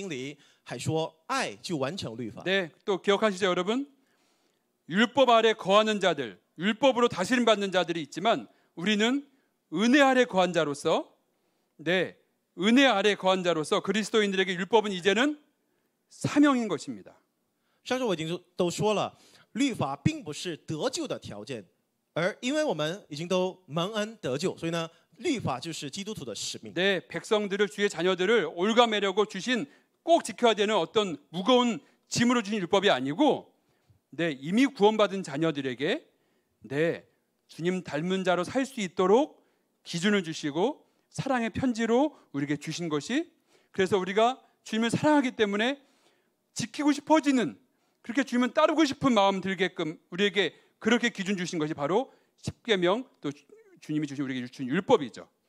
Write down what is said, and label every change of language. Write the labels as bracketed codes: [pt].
[zh] 十诫的内容就是爱神爱邻居的，这意味着彼此相爱的生活，甚至在新约圣经里还说爱就完成律法。 [ko] 네, 또 기억하시죠, 여러분? 율법 아래 거하는 자들, 율법으로 다스림 받는 자들이 있지만 우리는 은혜 아래 거한 자로서, 네, 은혜 아래 거한 자로서 그리스도인들에게 율법은 이제는 사명인 것입니다. [zh] 上周我已经都说了。律法并不是得救的条件，而因为我们已经都蒙恩得救，所以呢，律法就是基督徒的使命。 [ko] 네, 백성들을 주의 자녀들을 올가매려고 주신 꼭 지켜야 되는 어떤 무거운 짐으로 주신 율법이 아니고, 네, 이미 구원받은 자녀들에게, 네, 주님 닮은 자로 살 수 있도록 기준을 주시고 사랑의 편지로 우리에게 주신 것이, 그래서 우리가 주님을 사랑하기 때문에 지키고 싶어지는, 그렇게 주님은 따르고 싶은 마음 들게끔 우리에게 그렇게 기준 주신 것이 바로 십계명 또 주님이 주신 우리에게 주신 율법이죠.